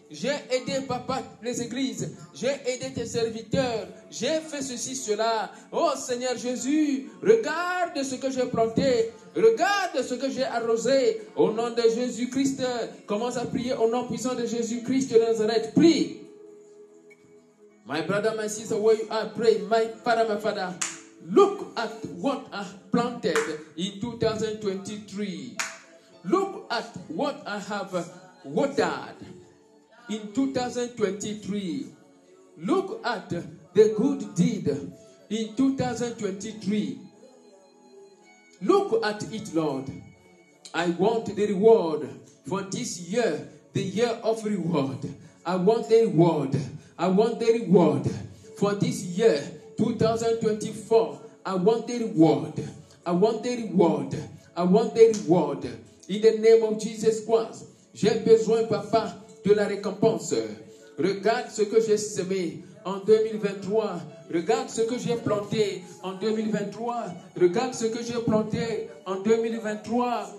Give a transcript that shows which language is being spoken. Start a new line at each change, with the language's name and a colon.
French: J'ai aidé papa, les églises. J'ai aidé tes serviteurs. J'ai fait ceci, cela. Oh, Seigneur Jésus, regarde ce que j'ai planté. Regarde ce que j'ai arrosé. Au nom de Jésus-Christ, commence à prier au nom puissant de Jésus-Christ de Nazareth. Prie.
English: My brother, my sister, where you are, pray. My father, look at what I planted in 2023. Look at what I have watered in 2023. Look at the good deed in 2023. Look at it, Lord. I want the reward for this year, the year of reward. I want the reward. I want the reward for this year, 2024. I want the reward. I want the reward. I want the reward. In the name of Jesus Christ,
French: j'ai besoin, papa, de la récompense. Regarde ce que j'ai semé en 2023. Regarde ce que j'ai planté en 2023. Regarde ce que j'ai planté en 2023.